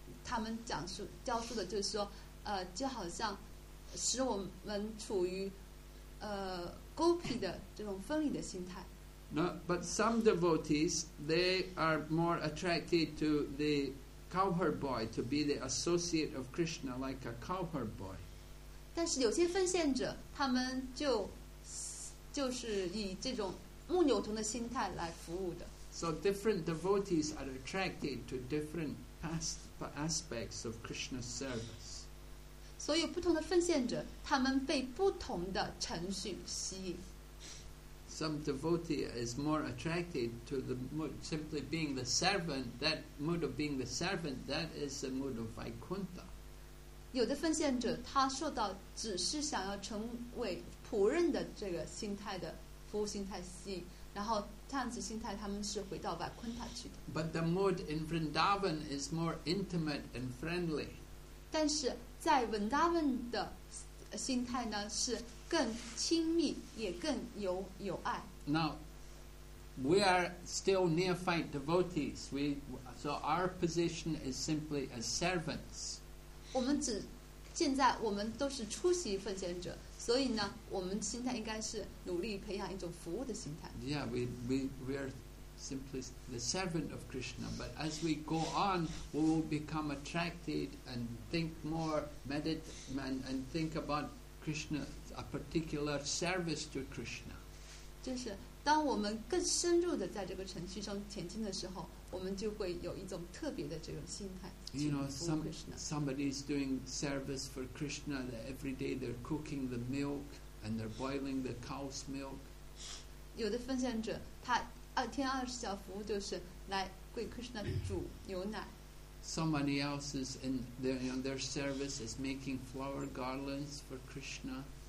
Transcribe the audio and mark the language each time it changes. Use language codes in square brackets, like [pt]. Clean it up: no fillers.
[zh] 他们讲述教授的就是说，就好像使我们处于gopi的这种分离的心态。 [en] No, but some devotees they are more attracted to the cowherd boy to be the associate of Krishna like a cowherd boy. [zh] 但是有些奉献者，他们就是以这种牧牛童的心态来服务的。 [en] So different devotees are attracted to different aspects of Krishna's service. [zh] 所以不同的奉献者，他们被不同的程序吸引。 [en] Some devotee is more attracted to the mood simply being the servant. That mood of being the servant, that is the mood of Vaikuntha. [zh] 有的奉献者他受到只是想要成为仆人的这个心态的服务心态吸引，然后这样子心态他们是回到 Vaikuntha 去的。 [en] But the mood in Vrindavan is more intimate and friendly. [zh] 但是在 Vrindavan 的心态呢是。更亲密也更有爱。 [en] Now, we are still neophyte devotees. So our position is simply as servants. [zh] 我们只现在我们都是初级奉献者，所以呢，我们心态应该是努力培养一种服务的心态。 [en] Yeah, we are simply the servant of Krishna. But as we go on, we will become attracted and think more, meditate and think about Krishna. A particular service to Krishna. [zh] 就是当我们更深入的在这个程序上前进的时候，我们就会有一种特别的这种心态。 [en] You know, somebody is doing service for Krishna. That every day they're cooking the milk and they're boiling the cow's milk. [zh] 有的奉献者，他二天二十小服务就是来为 Krishna 煮牛奶。 [en] Somebody else is in their service is making flower garlands for Krishna.